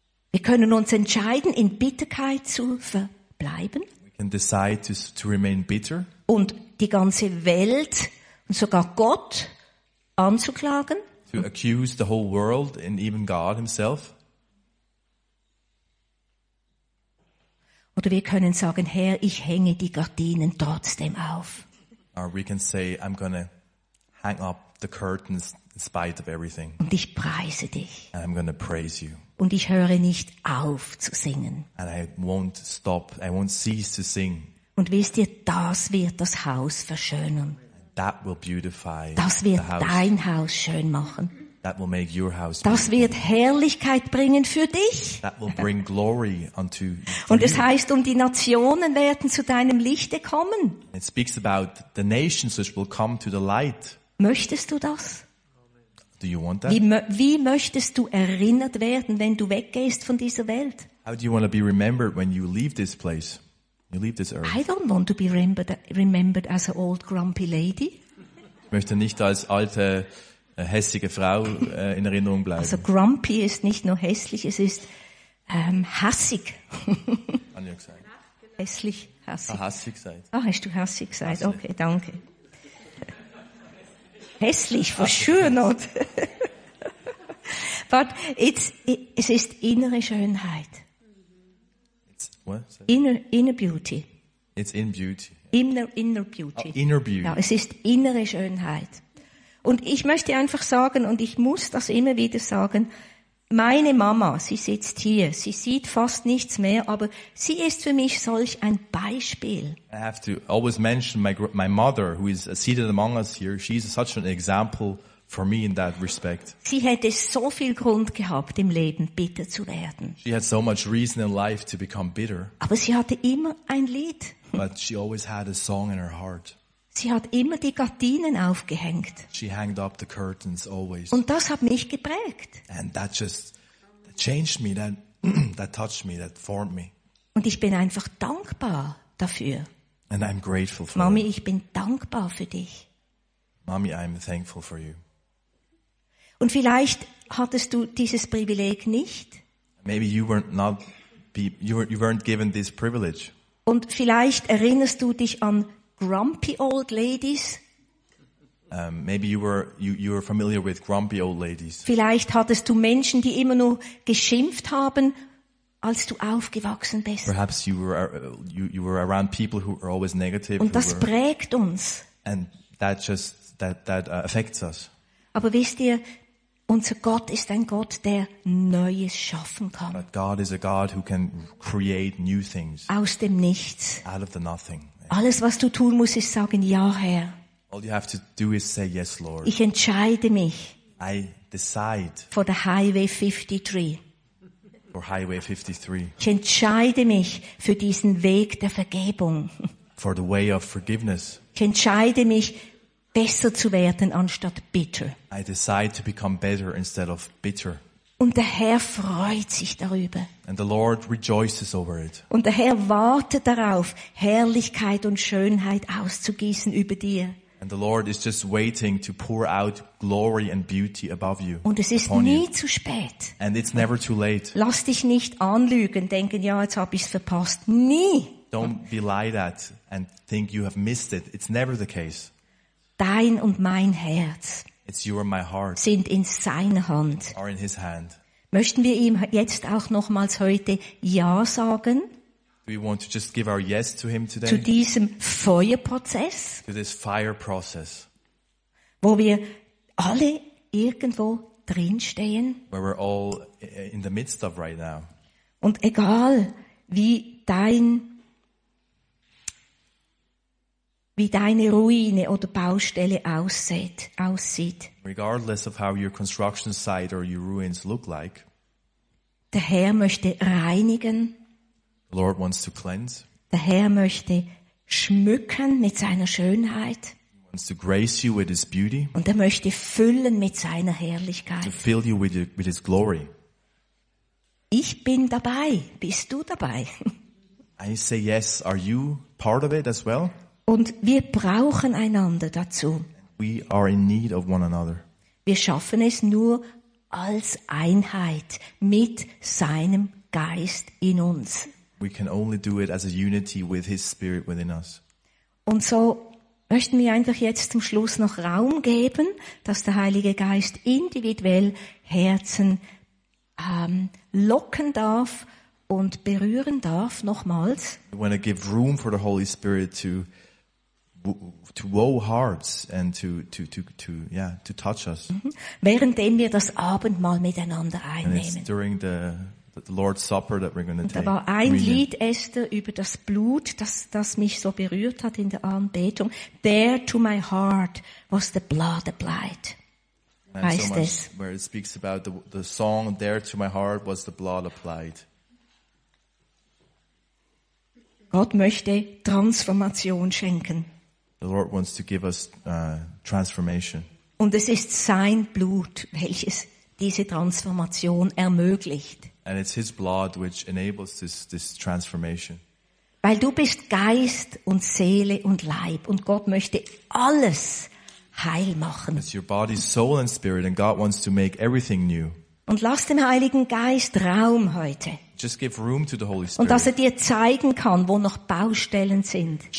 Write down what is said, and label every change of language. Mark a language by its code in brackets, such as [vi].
[de] Wir können uns entscheiden, in Bitterkeit zu verbleiben. bleiben. [en] We can decide to remain bitter. [de] Und die ganze Welt und sogar Gott anzuklagen. [en] To accuse the whole world and even God himself. [de] Oder wir können sagen, Herr, ich hänge die Gardinen trotzdem auf. [en] Or we can say, I'm gonna hang up the curtains in spite of everything. [de] Und ich preise dich. [en] And I'm gonna praise you. [de] Und ich höre nicht auf zu singen. [en] And I won't cease to sing. [de] Und wisst ihr, das wird das Haus verschönern. [en] That will beautify [de] das wird [en] the house. [de] Dein Haus schön machen. [en] That will make your house [de] das wird Herrlichkeit bringen für dich. [en] That will bring glory unto [de] und es heißt, um die Nationen werden zu deinem Lichte kommen. [en] It speaks about the nations which will come to the light. [de] Möchtest du das? [en] Do you want that? [de] Wie möchtest du erinnert werden, wenn du weggehst von dieser Welt? [en] How do you want to be remembered when you leave this place? You leave this earth. I don't want to be remembered as an old grumpy lady. [de] Ich möchte nicht als alte hässliche Frau in Erinnerung bleiben. Also grumpy ist nicht nur hässlich, es ist hässig. Hast du gesagt? Hässlich, hässig. Hässig gesagt. Ah, hast du hässig gesagt? Okay, danke. [en] Hässlich, for sure not. [de] But es ist innere Schönheit. [en] Inner beauty. It's in beauty. Inner beauty. Oh, inner beauty. [de] Ja, es ist innere Schönheit. Und ich möchte einfach sagen, und ich muss das immer wieder sagen, meine Mama, sie sitzt hier, sie sieht fast nichts mehr, aber sie ist für mich solch ein Beispiel. [en] I have to always mention my mother, who is seated among us here, she's such an example for me in that respect. [de] Sie hätte so viel Grund gehabt, im Leben bitter zu werden. [en] She had so much reason in life to become bitter. [de] Aber sie hatte immer ein Lied. [en] But she always had a song in her heart. [de] Sie hat immer die Gardinen aufgehängt. [en] She hanged up the curtains always. [de] Und das hat mich geprägt. [en] And that just that changed me, that touched me, that formed me. [de] Und ich bin einfach dankbar dafür. [en] And I'm grateful for [de] Mami, ich bin dankbar für dich. [en] Mami, I'm thankful for you. [de] Und vielleicht hattest du dieses Privileg nicht. [en] Maybe you weren't given this privilege. [de] Und vielleicht erinnerst du dich an [en] grumpy old ladies. Maybe you were familiar with grumpy old ladies. [de] Vielleicht hattest du Menschen, die immer nur geschimpft haben, als du aufgewachsen bist. [en] Perhaps you were around people who were always negative. [de] Und das prägt uns. [en] And that affects us. [de] Aber wisst ihr, unser Gott ist ein Gott, der Neues schaffen kann. [en] But God is a God who can create new things. [de] Aus dem Nichts. [en] Out of the nothing. [de] Alles, was du tun musst, ist sagen, ja, Herr. [en] All you have to do is say, yes, Lord. [de] Ich entscheide mich. [en] I decide. For the Highway 53. For Highway 53. [de] Ich entscheide mich für diesen Weg der Vergebung. [en] For the way of forgiveness. [de] Ich entscheide mich, besser zu werden anstatt bitter. [en] I decide to become better instead of bitter. [de] Und der Herr freut sich darüber. [en] And the Lord rejoices over it. [de] Und der Herr wartet darauf, Herrlichkeit und Schönheit auszugießen über dir. [en] And the Lord is just waiting to pour out glory and beauty above you. [de] Und es ist nie zu spät. [en] And it's never too late. [de] Lass dich nicht anlügen, denken, ja, jetzt habe ich es verpasst. Nie. [en] Don't be lied at and think you have missed it. It's never the case. [de] Dein und mein Herz. [en] It's you or my heart. [de] Sind in seiner Hand. [en] Are in his hand. [de] Möchten wir ihm jetzt auch nochmals heute Ja sagen? [en] Do we want to just give our yes to him today? [de] Zu diesem Feuerprozess? [en] To this fire process. [de] Wo wir alle irgendwo drinstehen? [en] Where we're all in the midst of right now. [de] Und egal, wie deine Ruine oder Baustelle aussieht. [en] Regardless of how your construction site or your ruins look like. [de] Der Herr möchte reinigen. [en] The Lord wants to cleanse. [de] Der Herr möchte schmücken mit seiner Schönheit. [en] He wants to grace you with his beauty. [de] Und er möchte füllen mit seiner Herrlichkeit. [en] To fill you with his glory. [de] Ich bin dabei. Bist du dabei? [en] I say yes. Are you part of it as well? [de] Und wir brauchen einander dazu. [en] We are in need of one another. [de] Wir schaffen es nur als Einheit mit seinem Geist in uns. [en] We can only do it as a unity with His Spirit within us. [de] Und so möchten wir einfach jetzt zum Schluss noch Raum geben, dass der Heilige Geist individuell Herzen locken darf und berühren darf nochmals. [en] When I give room for the Holy Spirit to woe hearts and to touch us. [de] Währenddem wir das Abendmahl miteinander einnehmen. [en] And it's during the Lord's Supper that we're going to take. [de] Da war ein Lied, Esther, über das Blut, das mich so berührt hat in der Anbetung. [en] There to my heart was the blood applied. [de] Heißt es. [en] Where it speaks about the song, there to my heart was the blood applied. [de] Gott möchte Transformation schenken. [en] The Lord wants to give us transformation. [de] Und es ist sein Blut, welches diese Transformation ermöglicht. [en] And it's His blood which enables this transformation. [de] Weil du bist Geist und Seele und Leib und Gott möchte alles heil machen. [en] It's your body, soul and spirit and God wants to make everything new. [de] Und lass dem Heiligen Geist Raum heute. [en] Just give room to the Holy Spirit. [de] Und dass er dir zeigen kann, wo noch Baustellen sind.